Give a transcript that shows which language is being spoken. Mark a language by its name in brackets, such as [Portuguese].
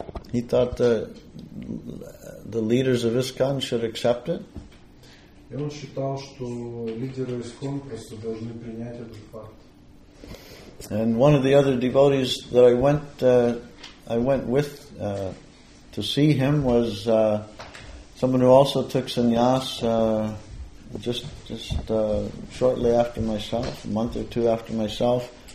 [English] He thought the leaders of ISKCON should accept it. [Russian] И он считал, что лидеры ИСККОН просто должны принять этот факт. [English] And one of the other devotees that I went with to see him was someone who also took sannyas just shortly after myself, a month or two after myself.